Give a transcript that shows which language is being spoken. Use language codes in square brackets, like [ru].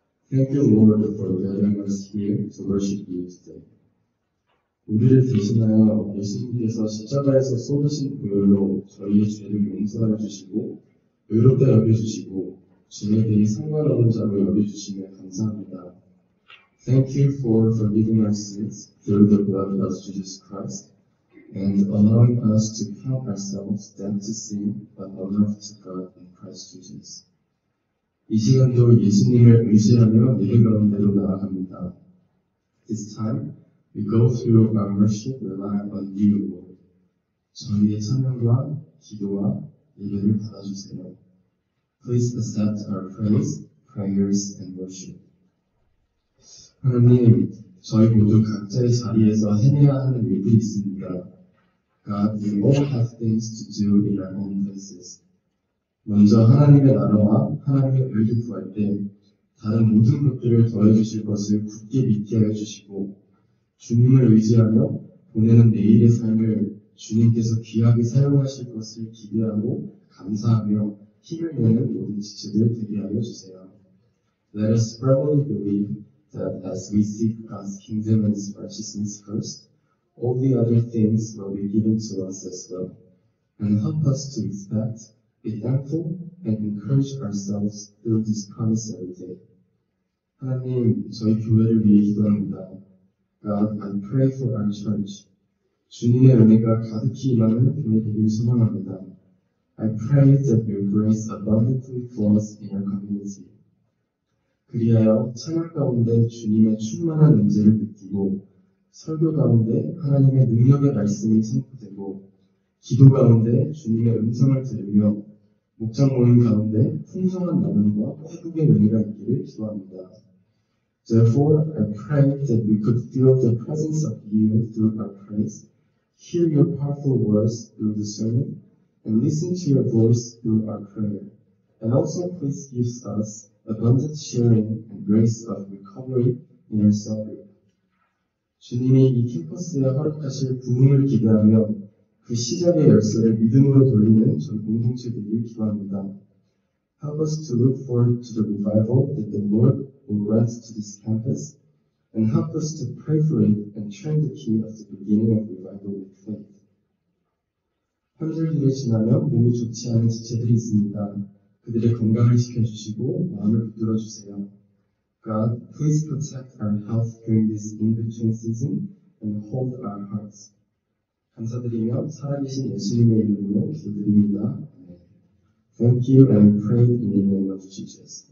[ko] 함께 모을 것을 예배하는 것이기에 저걸식 비유시되 우리를 대신하여 예수님께서 십자가에서 쏟으신 보혈로 저희의 죄를 용서해 주시고 의롭다 여겨주시고 주님에 대해 상관없는 자로 여겨주시며 감사합니다. [en] Thank you for forgiving our sins through the blood of Jesus Christ and allowing us to count ourselves dead to sin but alive to God in Christ Jesus. [ko] 이 시간도 예수님을 의지하며 믿음 가운데로 나아갑니다. [en] This time, we go through our worship relying on you, Lord. [ko] 저희의 찬양과 기도와 예배를 받아주세요. [en] Please accept our praise, prayers, and worship. [ko] 하나님, 저희 모두 각자의 자리에서 해내야 하는 일들이 있습니다. [en] God, we all have things to do in our own places. [ko] 먼저 하나님의 나라와 하나님의 의를 구할 때 다른 모든 것들을 더해주실 것을 굳게 믿게 해주시고 주님을 의지하며 보내는 내일의 삶을 주님께서 귀하게 사용하실 것을 기대하고 감사하며 힘을 내는 모든 지체들 되게 하여 주세요. [en] Let us firmly believe that as we seek God's kingdom and his righteousness first, all the other things will be given to us as well. And help us to expect, be thankful, and encourage ourselves through this promise every day. [ko] 하나님, 저희 교회를 위해 기도합니다. [en] God, I pray for our church. [ko] 주님의 은혜가 가득히 임하는 교회를 소망합니다. [en] I pray that your grace abundantly flows in our community. [ko] 그리하여 찬양 가운데 주님의 충만한 임재를 느끼고 설교 가운데 하나님의 능력의 말씀이 선포되고 기도 가운데 주님의 음성을 들으며 목장 모임 가운데 풍성한 나눔과 회복의 은혜가 있기를 기도합니다. [en] Therefore, I pray that we could feel the presence of you through our praise, hear your powerful words through the sermon, and listen to your voice through our prayer. And also please give us abundant sharing and grace of recovery in our suffering. [ko] 주님이 이 캠퍼스에 허락하실 부흥을 기대하며 그 시작의 열쇠를 믿음으로 돌리는 저희 공동체들이 기도합니다. [en] Help us to look forward to the revival that the Lord will grant to this campus and help us to pray for it and turn the key of the beginning of revival with faith. [ko] 환절기를 지나면 몸이 좋지 않은 지체들이 있습니다. 그들의 건강을 지켜주시고 마음을 붙들어주세요. [en] God, please protect our health during this in-between season and hold our hearts. [ko] 감사드리며 살아계신 예수님의 이름으로 기도드립니다. [en] Thank you and pray in the name of Jesus.